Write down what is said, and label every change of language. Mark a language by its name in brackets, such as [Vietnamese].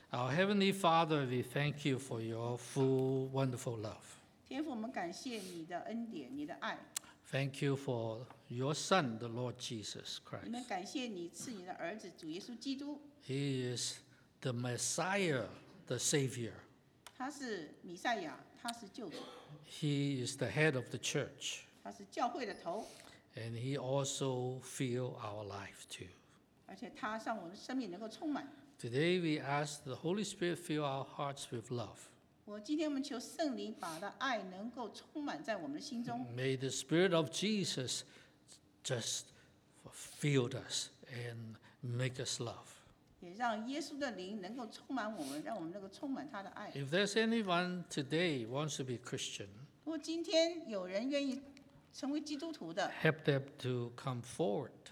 [English] Our Heavenly Father, we thank you for your full, wonderful love. [Chinese] 天父，我们感谢你的恩典，你的爱。 [English] Thank you for your Son, the Lord Jesus Christ. [Chinese] 你们感谢你赐你的儿子主耶稣基督。 [English] He is the Messiah, the Savior. [Chinese] 他是弥赛亚，他是救主。 [English] He is the head of the church. [Chinese] 他是教会的头。 [English] And he also fills our life too. [Chinese] 而且他让我们生命能够充满。 [English] Today we ask the Holy Spirit fill our hearts with love. [Chinese] 今天我们求圣灵把的爱能够充满在我们的心中。 [English] May the Spirit of Jesus just fill us and make us love. [Chinese] 也让耶稣的灵能够充满我们，让我们能够充满他的爱。 [English] If there's anyone today wants to be Christian, [Chinese] 如果今天有人愿意成为基督徒的 [English] ，Help them to come forward.